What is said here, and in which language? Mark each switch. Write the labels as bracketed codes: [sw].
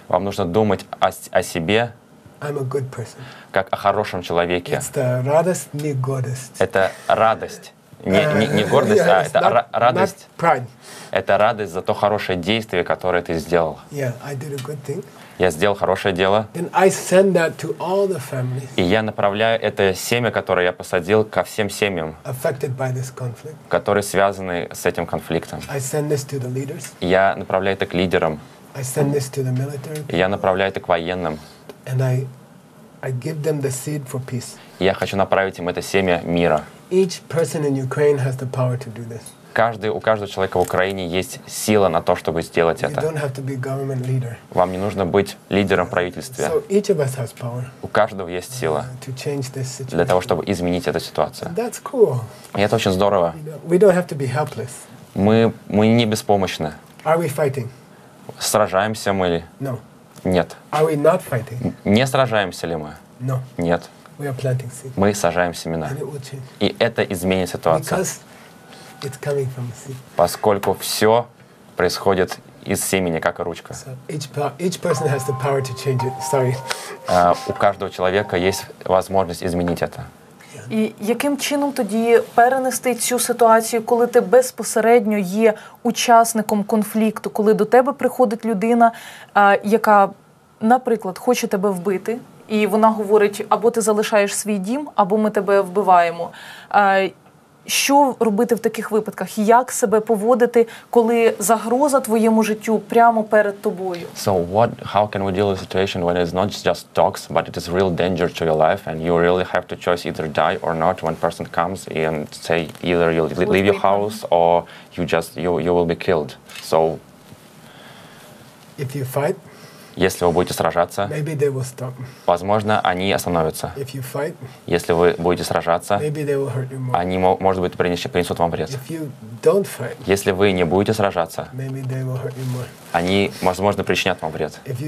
[ru] Вам нужно думать о себе. [en] I'm a good person. [ru] Как о хорошем человеке. [en] It's the [ru] radost, не гордость. Это радость. Не гордость, а это радость. [en] Not pride. [ru] Это радость за то хорошее действие, которое ты сделал. [en] Yeah, I did a good thing. [ru] Я сделал хорошее дело. [en] Then I send that to all the families, [ru] и я направляю это семя, которое я посадил, ко всем семьям, [en] affected by this conflict, [ru] которые связаны с этим конфликтом. [en] I send this to the leaders, [ru] я направляю это к лидерам. [en] I send this to the military, [ru] и я направляю это к военным. [en] And I give them the seed for peace. [ru] И я хочу направить им это семя мира. [en] Each person in Ukraine has the power to do this. [ru] У каждого человека в Украине есть сила на то, чтобы сделать это. [en] You don't have to be government leader. [ru] Вам не нужно быть лидером правительства. [en] So each of us has power. [ru] У каждого есть сила [en] to change this situation. [ru] Для того, чтобы изменить эту ситуацию. [en] And that's cool. [ru] И это очень здорово. [en] We don't have to be helpless. [ru] Мы не беспомощны. [en] Are we fighting? [ru] Сражаемся мы ли? [en] No. [ru] Нет. [en] Are we not fighting? [ru] Не сражаемся ли мы? [en] No. [ru] Нет. [en] We are planting seeds. [ru] Мы сажаем семена. [en] And it will change. [ru] И это изменит ситуацию. [en] Because it's coming from the seed. [ru] Поскольку все происходит из семени, как и ручка. [en] Each person has the power to change it. Sorry. [ru] У каждого человека есть возможность изменить это. [uk] І яким чином тоді перенести цю ситуацію, коли ти безпосередньо є учасником конфлікту, коли до тебе приходить людина, яка, наприклад, хоче тебе вбити, і вона говорить, або ти залишаєш свій дім, або ми тебе вбиваємо. Що робити в таких випадках? Як себе поводити, коли загроза твоєму життю прямо перед тобою? [en] So what, how can we deal with a situation when it's not just talks, but it is real danger to your life and you really have to choose either die or not when person comes and say either you leave your house or you just you will be killed. So if you fight, [ru] если вы будете сражаться, [en] maybe they will stop. [ru] Возможно, они остановятся. [en] If you fight, [ru] если вы будете сражаться, [en] maybe they will hurt you more. [ru] Они, может быть, принесут вам вред. [en] If you don't fight, [ru] если вы не будете сражаться, [en] maybe they will hurt you more. [ru] Они, возможно, причинят вам вред.